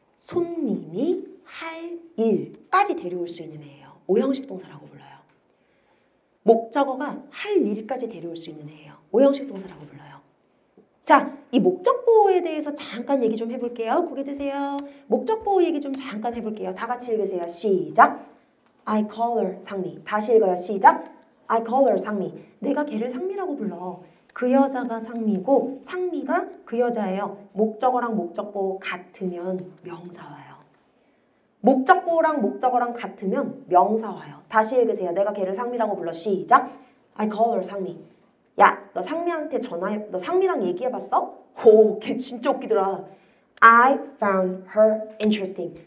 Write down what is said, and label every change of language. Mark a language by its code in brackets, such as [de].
[ko] 손님이 할 일까지 데려올 수 있는 애예요. 오형식 동사라고 불러요. 목적어가 할 일까지 데려올 수 있는 애예요. 오형식 동사라고 불러요. 자, 이 목적보어에 대해서 잠깐 얘기 좀 해볼게요. 고개 드세요. 목적보어 얘기 좀 잠깐 해볼게요. 다 같이 읽으세요. 시작! [en] I call her 상미. [ko] 다시 읽어요. 시작! [en] I call her 상미. [ko] 내가 걔를 상미라고 불러. 그 여자가 상미고 상미가 그 여자예요. 목적어랑 목적보 같으면 명사와요. 목적보랑 목적어랑 같으면 명사와요. 다시 읽으세요. 내가 걔를 상미라고 불러. 시작! [en] I call her 상미. [ko] 야, 너 상미한테 전화해. 너 상미랑 얘기해봤어? 오, 걔 진짜 웃기더라. [en] I found her interesting.